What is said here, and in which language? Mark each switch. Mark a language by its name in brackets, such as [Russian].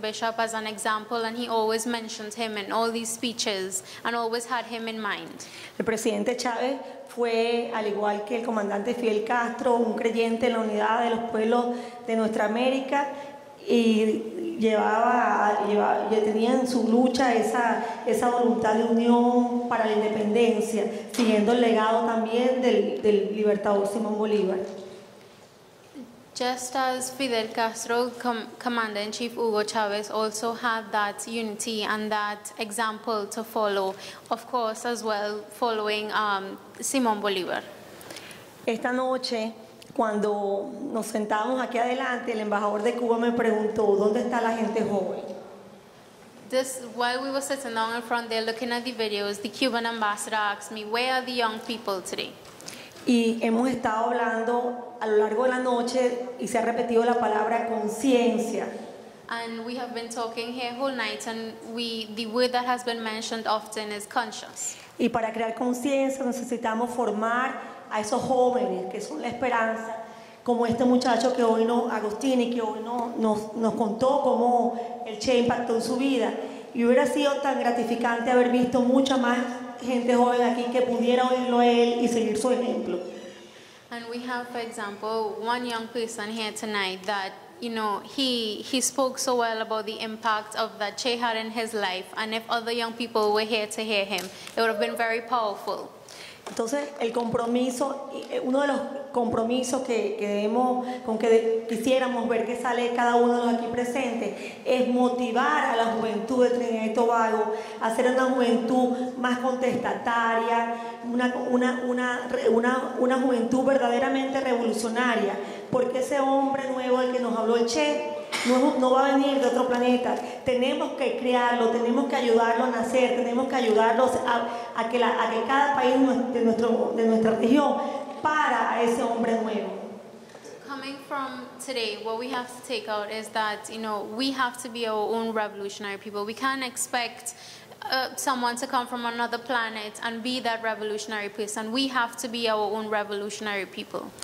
[English] Bishop as an example and he always mentioned him in all these speeches and always had him in mind. [Spanish] El presidente Chávez fue, al igual que el comandante Fidel Castro, un creyente en la unidad de los pueblos de nuestra América y llevaba, ya tenía en su lucha esa, esa voluntad de unión para la independencia, siguiendo el legado también del, del libertador Simón Bolívar. [English] Just as Fidel Castro, Commander-in-Chief Hugo Chavez also had that unity and that example to follow, of course, as well, following Simón Bolívar. [Spanish] Esta noche, cuando nos sentamos aquí adelante, el embajador de Cuba me preguntó, ¿dónde está la gente joven? [English] This, while we were sitting down in front there looking at the videos, the Cuban ambassador asked me, where are the young people today? [Spanish] Y hemos estado hablando a lo largo de la noche y se ha repetido la palabra conciencia. [English] And we have been talking here whole night and we, the word that has been mentioned often is conscience. [Spanish] Y para crear conciencia necesitamos formar a esos jóvenes que son la esperanza, como este muchacho que hoy no, Agustín, y que hoy no, nos contó cómo el Che impactó en su vida. Y hubiera sido tan gratificante haber visto mucha más gente joven aquí que pudiera oírlo él y seguir su ejemplo. [English] And we have, for example, one young person here tonight that, you know, he spoke so well about the impact of that Che had in his life, and if other young people were here to hear him, it would have been very powerful. [Spanish] Entonces, el compromiso, uno de los compromisos que debemos, con que quisiéramos ver que sale cada uno de los aquí presentes, es motivar a la juventud de Trinidad y Tobago a hacer una juventud más contestataria, una juventud verdaderamente revolucionaria, porque ese hombre nuevo al que nos habló el Che no va a venir de otro planeta. Tenemos que crearlo, tenemos que ayudarlo a nacer, tenemos que ayudarlos a que cada país de nuestra región para a ese hombre nuevo. [English] Coming from today, what we have to take out is that, you know, we have to be our own revolutionary people. We can't expect someone to come from another planet and be that revolutionary person. We have to be our own revolutionary people.